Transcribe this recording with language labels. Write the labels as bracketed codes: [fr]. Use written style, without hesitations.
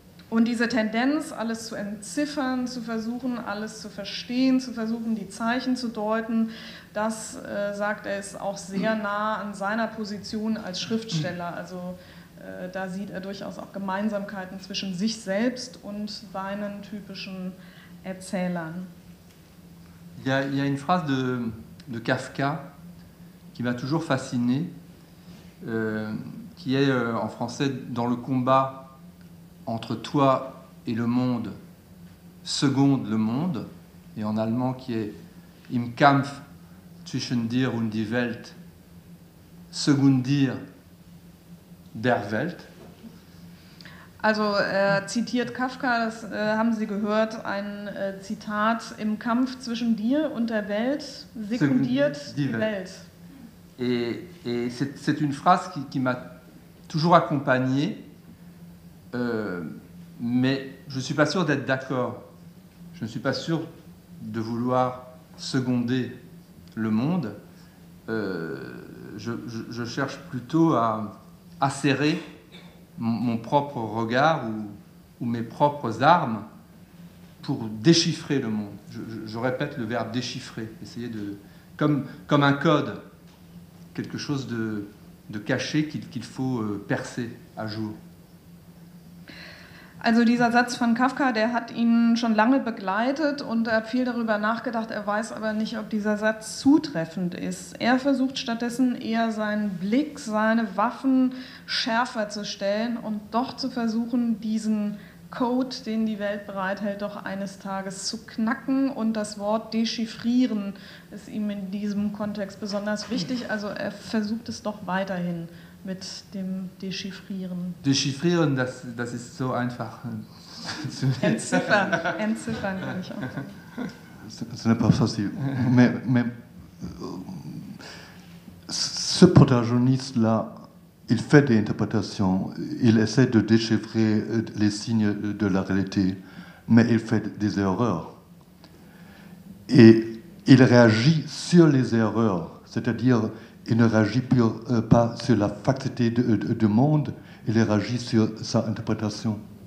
[de] Und diese Tendenz, alles zu entziffern, zu versuchen, alles zu verstehen, zu versuchen, die Zeichen zu deuten, das, sagt er, ist auch sehr nah an seiner Position als Schriftsteller. Also da sieht er durchaus auch Gemeinsamkeiten zwischen sich selbst und seinen typischen Erzählern. [fr] Ja, il y a une phrase de Kafka, qui m'a toujours fasciné, qui est en français « Dans le combat entre toi et le monde, seconde le monde », et en allemand qui est « [de] Im Kampf zwischen dir und die Welt, seconde dir der Welt ». Also er zitiert Kafka, das haben Sie gehört, ein Zitat, im Kampf zwischen dir und der Welt sekundiert die Welt. [fr] Et c'est une phrase qui m'a toujours accompagné, mais je ne suis pas sûr d'être d'accord. Je ne suis pas sûr de vouloir seconder le monde. Je cherche plutôt à serrer mon propre regard ou mes propres armes pour déchiffrer le monde. Je répète le verbe déchiffrer, essayer de, comme un code, quelque chose de caché qu'il faut percer à jour. [de] Also dieser Satz von Kafka, der hat ihn schon lange begleitet und er hat viel darüber nachgedacht, er weiß aber nicht, ob dieser Satz zutreffend ist. Er versucht stattdessen eher seinen Blick, seine Waffen schärfer zu stellen und doch zu versuchen, diesen Code, den die Welt bereithält, doch eines Tages zu knacken. Und das Wort dechiffrieren ist ihm in diesem Kontext besonders wichtig, also er versucht es doch weiterhin mit dem Dechiffrieren. Dechiffrieren, das ist so einfach zu entziffern. Entziffern kann ich auch. [fr] Ce n'est pas facile. Mais ce protagoniste-là, il fait des interprétations. Il essaie de déchiffrer les signes de la réalité, mais il fait des erreurs. Et il réagit sur les erreurs, c'est-à-dire il ne réagit pas sur la facteté du monde, il réagit sur sa interprétation.